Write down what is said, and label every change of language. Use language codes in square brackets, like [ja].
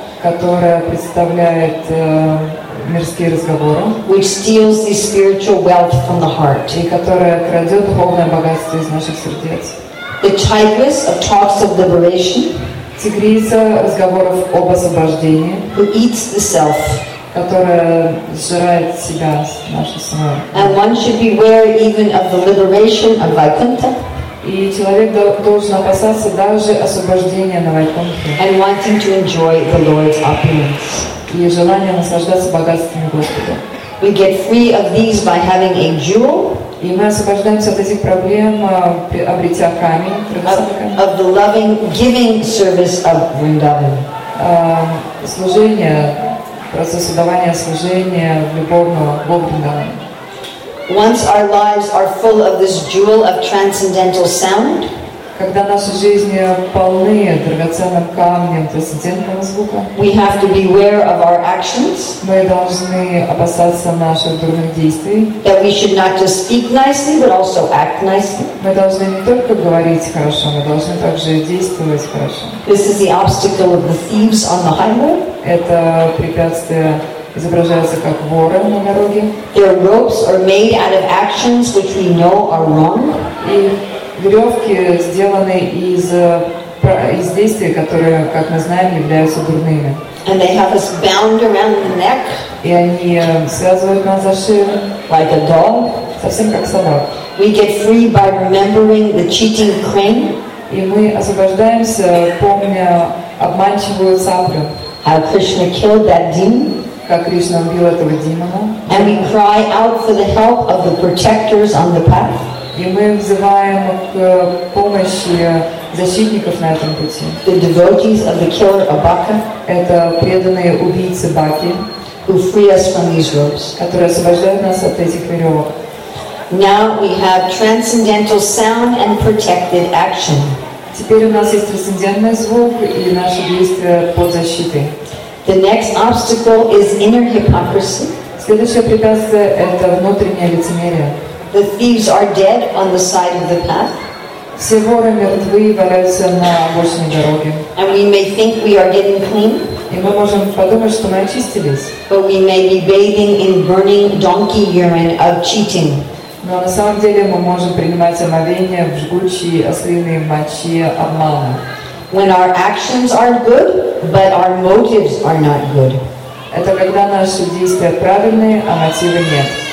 [ru] которая представляет мирские разговоры, [en] which steals the spiritual wealth from the heart, [ru] и которая крадет духовное богатство из наших сердец, [en] the tigress of talks of liberation, [ru] тигрица разговоров об освобождении, [en] who eats the self, [ru] которая сжирает себя, наше само. [en] And one should beware even of the liberation of Vaikuntha. [ru] И человек должен опасаться даже освобождения на Вайкунте. [en] And wanting to enjoy the Lord's opulence. [ru] И желание наслаждаться богатствами Господа. [en] We get free of these by having a jewel. [ru] И мы освобождаемся от этих проблем, обретя камень, [en] of the loving, giving service of Vrindavan. [ru] Служение, процессу давания служения любовного Бога. [en] Once our lives are full of this jewel of transcendental sound, [ru] когда наши жизни полны драгоценным камнем трансцендентного звука, [en] we have to beware of our actions, [ru] мы должны опасаться наших дурных действий, [en] that we should not just speak nicely, but also act nicely. [ru] Мы должны не только говорить хорошо, мы должны также действовать хорошо. [en] This is the obstacle of the thieves on the highway. [ru] Это препятствие изображается как воры на дороге. [en] Their ropes are made out of actions which we know are wrong. [ru] Веревки сделаны из действий, которые, как мы знаем, являются дурными. [en] And they have us bound around the neck. [ru] И они связывают нас за шею. [en] Like a dog. [ru] Совсем как собак. [en] We get free by remembering the cheating crane. [ru] И мы освобождаемся, помня обманчивую саплю. [en] How Krishna killed that demon. [ru] Как Кришна убил этого демона. [en] And we cry out for the help of the protectors on the path. [ru] И мы взываем к помощи защитников на этом пути. [en] The devotees of the killer of Baka. [ru] Это преданные убийцы Баки. [en] Who free us from these ropes. [ru] Которые освобождают нас от этих веревок. [en] Now we have transcendental sound and protected action. [ru] Теперь у нас есть трансцендентный звук и наши действия под защитой. [en] The next obstacle is inner hypocrisy. [ru] Следующее препятствие – это внутреннее лицемерие. [en] The thieves are dead on the side of the path. [ru] Все воры мертвы и валяются на обочине дороги. [en] And we may think we are getting clean. [ru] И мы можем подумать, что мы очистились. [en] But we may be bathing in burning donkey urine of cheating. [ru] Но на самом деле мы можем принимать омовение в жгучей ослиной мочи обмана. [en] When our actions aren't good, but our motives are not good. [ru] Это когда наши действия правильные, а мотивы нет.